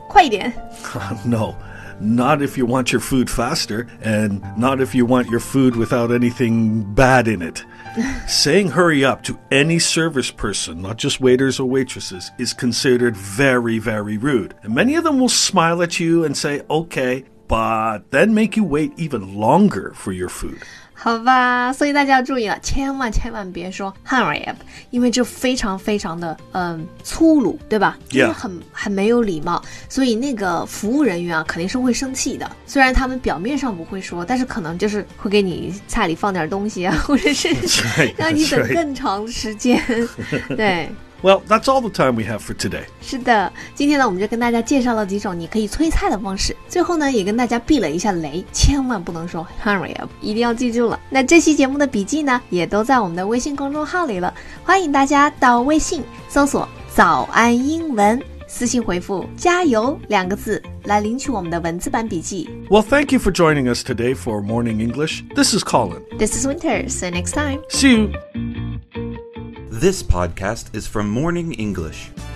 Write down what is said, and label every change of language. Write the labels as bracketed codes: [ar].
[zh] 快一点。 [en] No, not if you want your food faster, and not if you want your food without anything bad in it. Saying hurry up to any service person, not just waiters or waitresses, is considered very, very rude. And many of them will smile at you and say, okay, but then make you wait even longer for your food. [zh] 好吧，所以大家要注意了，千万千万别说 [en] hurry up， [zh] 因为这非常非常的粗鲁，对吧？ [en] Yeah. [zh] 因为很没有礼貌，所以那个服务人员啊肯定是会生气的。虽然他们表面上不会说，但是可能就是会给你菜里放点东西啊，或者是 [en] right, [zh] 让你等更长时间。 [en] Right. [zh] 对。 [en] Well, that's all the time we have for today. [zh] 是的，今天呢，我们就跟大家介绍了几种你可以催菜的方式。最后呢，也跟大家避了一下雷，千万不能说 [en] hurry up， [zh] 一定要记住了。那这期节目的笔记呢，也都在我们的微信公众号里了，欢迎大家到微信搜索“早安英文”，私信回复“加油”两个字来领取我们的文字版笔记。 [en] Well, thank you for joining us today for Morning English. This is Colin. This is Winter. See you next time. See you. This podcast is from Morning English.